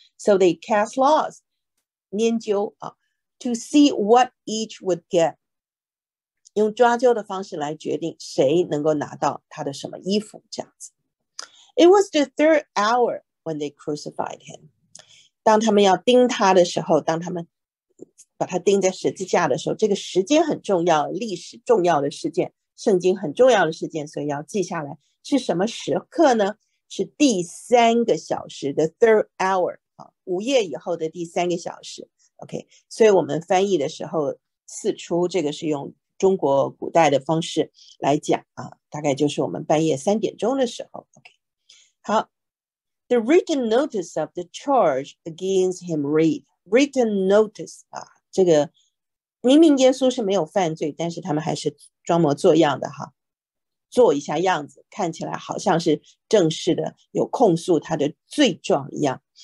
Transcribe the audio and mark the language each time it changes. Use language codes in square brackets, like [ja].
[en] So they cast laws, [zh] 研究啊 [en] ，to see what each would get. [zh] 用抓阄的方式来决定谁能够拿到他的什么衣服，这样子。 [en] It was the third hour when they crucified him. [zh] 当他们要钉他的时候，当他们把他钉在十字架的时候，这个时间很重要，历史重要的事件，圣经很重要的事件，所以要记下来是什么时刻呢？是第三个小时 ， [en] the third hour。 [zh] 午夜以后的第三个小时 ，OK， 所以我们翻译的时候，四出这个是用中国古代的方式来讲啊，大概就是我们半夜三点钟的时候 ，OK， 好 ， [en] the written notice of the charge against him read written notice [zh] 啊，这个明明耶稣是没有犯罪，但是他们还是装模作样的哈，做一下样子，看起来好像是正式的有控诉他的罪状一样。